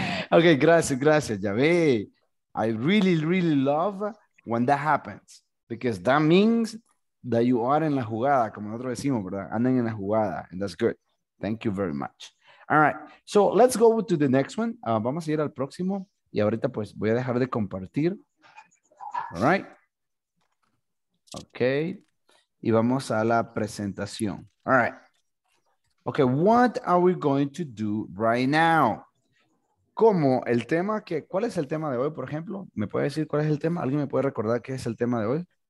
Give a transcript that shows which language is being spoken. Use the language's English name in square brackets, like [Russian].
[English] Okay, [Spanish] gracias, gracias. Ya ve. [English] I really, really love when that happens because that means that you are [Spanish] en la jugada, como nosotros decimos, ¿verdad? Andan en la jugada, [English] and that's good. Thank you very much. All right, so let's go to the next one. [Spanish] Vamos a ir al próximo y ahorita pues voy a dejar de compartir. [English] All right. Okay. [Spanish] Y vamos a la presentación. [English] All right. Okay, what are we going to do right now? [Spanish] Como el tema que, ¿cuál es el tema de hoy, por ejemplo? ¿Me puede decir cuál es el tema? ¿Alguien me puede recordar qué es el tema de hoy?